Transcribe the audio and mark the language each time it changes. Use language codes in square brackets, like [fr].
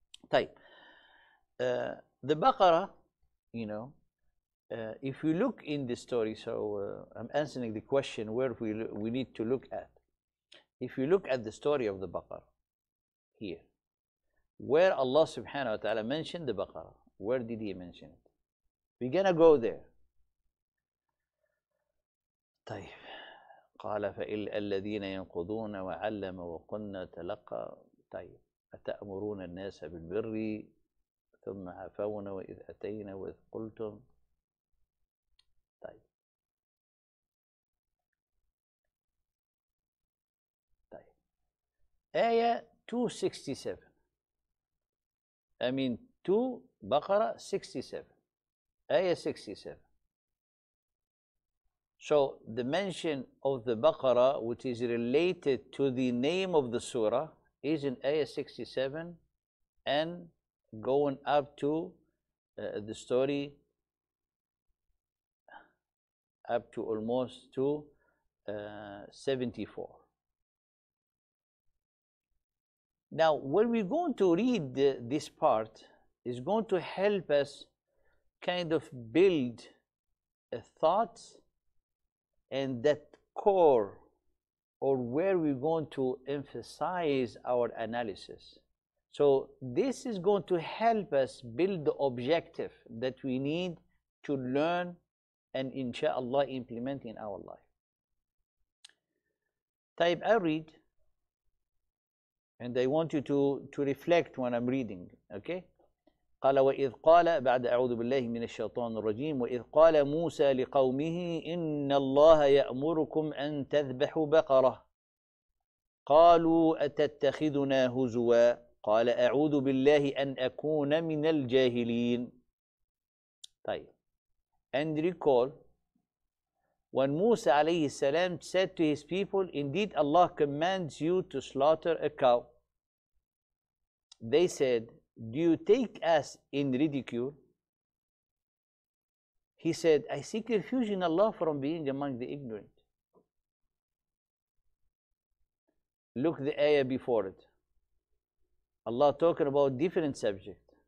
[en] Type. The Baqarah, you know, if you look in the story, so I'm answering the question where we need to look at. If you look at the story of the Baqarah here, where Allah subhanahu wa ta'ala mentioned the Baqarah, where did he mention it? We're gonna go there. [ar] طيب قال فإلا الذين ينقضون وعلم وقلنا تلقى طيب أتأمرون الناس بالبر ثم عفونا وإذ أتينا وإذ قلتم طيب طيب آية 267 [en] I mean 2 [ar] بقرة 67 [en] Ayah 67. So the mention of the Baqarah, which is related to the name of the surah, is in Ayah 67 and going up to the story up to almost to 74. Now, when we're going to read this part, it's going to help us kind of build a thought, and that core or where we're going to emphasize our analysis. So this is going to help us build the objective that we need to learn and inshallah implement in our life. Type, I read, and I want you to reflect when I'm reading, okay? [ar] قال وإذ قال بعد أعوذ بالله من الشيطان الرجيم وإذ قال موسى لقومه إن الله يأمركم أن تذبحوا بقرة قالوا أتتخذنا هزوا قال أعوذ بالله أن أكون من الجاهلين طيب [en] and recall when Musa عليه السلام said to his people indeed Allah commands you to slaughter a cow they said Do you take us in ridicule? He said, I seek refuge in Allah from being among the ignorant. Look the ayah before it. Allah talking about different subject.